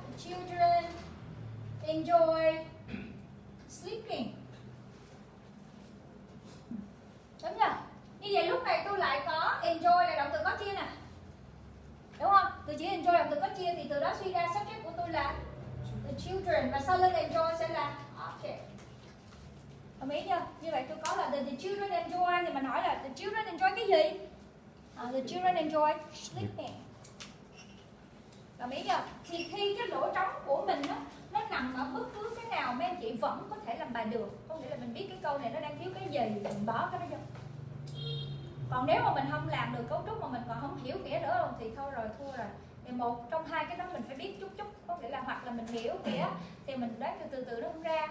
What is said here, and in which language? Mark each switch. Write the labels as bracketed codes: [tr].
[en] The children enjoy sleeping. [vi] Đúng chưa? Như vậy lúc này tôi lại có enjoy là động từ có chia nè. Đúng không? Từ chỉ enjoy động từ có chia thì từ đó suy ra subject của tôi là [en] the children [vi] và sau lưng enjoy sẽ là object. Đồng ý chưa? Như vậy tôi có là [en] the children enjoy [vi] thì mà nói là the children enjoy cái gì? [en] The children enjoy sleeping. [vi] Đồng ý chưa? Thì khi cái lỗ trống của mình á, nó nằm ở bất cứ cái nào mấy anh chị vẫn có thể làm bài được. Có nghĩa là mình biết cái câu này nó đang thiếu cái gì, mình bỏ cái đó vô. Còn nếu mà mình không làm được cấu trúc mà mình còn không hiểu nghĩa nữa thì thôi rồi, thua rồi. Thì một trong hai cái đó mình phải biết chút chút. Có nghĩa là hoặc là mình hiểu nghĩa thì mình đoán từ từ nó không ra.